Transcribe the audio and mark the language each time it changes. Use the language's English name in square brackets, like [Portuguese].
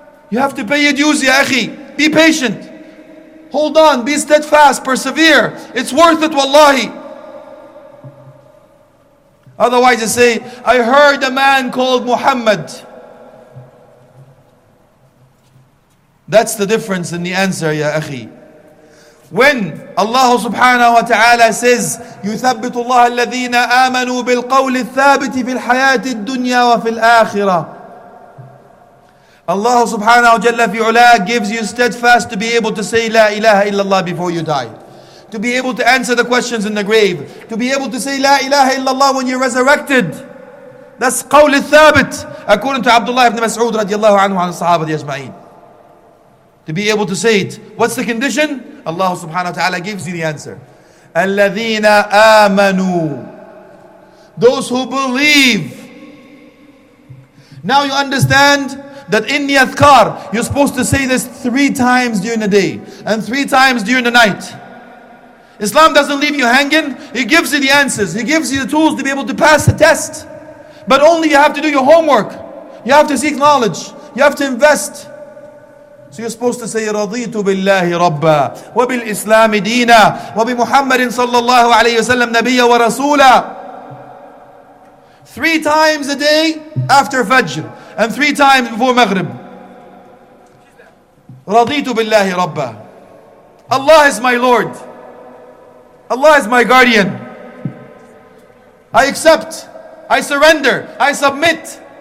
[English] You have to pay your dues, ya akhi. Be patient. Hold on, be steadfast, persevere. It's worth it, wallahi. Otherwise you say, I heard a man called Muhammad. That's the difference in the answer, ya akhi. When Allah subhanahu wa ta'ala says, [Arabic] يُثَبِّتُ اللَّهَ الَّذِينَ آمَنُوا بِالْقَوْلِ الثَّابِتِ فِي الْحَيَاةِ الدُّنْيَا وَفِي الْآخِرَةِ. [English] Allah subhanahu wa jalla fi ula gives you steadfast to be able to say La ilaha illallah before you die. To be able to answer the questions in the grave. To be able to say La ilaha illallah when you're resurrected. That's qawl al-thabit. According to Abdullah ibn Mas'ud radiallahu anhu and sahaba al-yajma'een. To be able to say it. What's the condition? Allah subhanahu wa ta'ala gives you the answer. [Arabic] Alladhina amanu. [English] Those who believe. Now you understand that in the adhkar, you're supposed to say this three times during the day. And three times during the night. Islam doesn't leave you hanging. He gives you the answers. He gives you the tools to be able to pass the test. But only you have to do your homework. You have to seek knowledge. You have to invest. So you're supposed to say, [Arabic] رَضِيتُ بِاللَّهِ رَبَّا وَبِالْإِسْلَامِ دِينَا وَبِمُحَمَّدٍ صَلَّى اللَّهُ عَلَيْهِ وَسَلَّمْ نَبِيَّ وَرَسُولًا. [English] Three times a day after Fajr and three times before Maghrib. [Arabic] رَضِيتُ بِاللَّهِ رَبَّا. [English] Allah is my Lord. Allah is my guardian. I accept. I surrender. I submit.